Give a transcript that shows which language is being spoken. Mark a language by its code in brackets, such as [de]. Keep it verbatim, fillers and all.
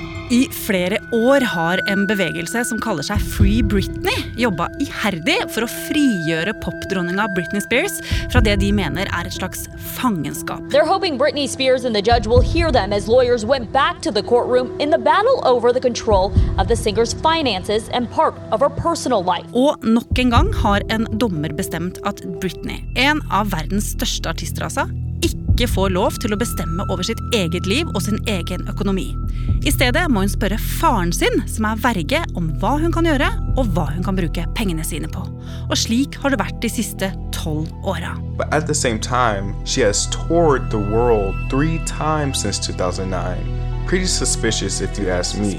[no] I flere år har en bevegelse som kaller seg Free Britney jobbet iherdig for å frigjøre popdronninga Britney Spears fra det de mener er et slags fangenskap. [en] They're hoping Britney Spears and the judge will hear them as lawyers went back to the courtroom in the battle over the control of the singer's finances and part of her personal life. [no] Og nok en gang har en dommer bestemt at Britney, en av verdens største artister altså, ikke får lov til å bestemme over sitt eget liv og sin egen økonomi. I stedet må hun spørre faren sin, som er verge, om hva hun kan gjøre og hva hun kan bruke pengene sine på. Og slik har det vært de siste tolv åra. [en] But at the same time, she has toured the world three times since two thousand nine. Pretty suspicious if you ask me.